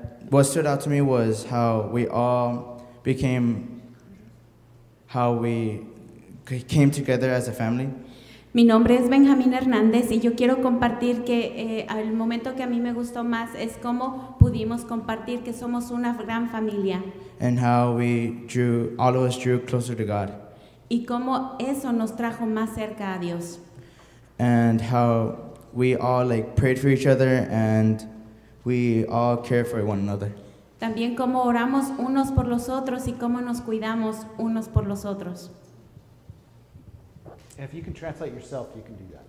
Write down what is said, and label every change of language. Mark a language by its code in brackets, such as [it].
[en] What stood out to me was how we came together as a family. [es] Mi nombre es Benjamin Hernandez y yo quiero compartir que el momento que a mí me gustó más es cómo pudimos compartir que somos una gran familia. [en] And how all of us drew closer to God. [es] Y cómo eso nos trajo más cerca a Dios. [en] And how we all like prayed for each other and we all cared for one another. [es] También como oramos unos por los otros y como nos cuidamos unos por los otros. [en] And if you can translate yourself, you can do that.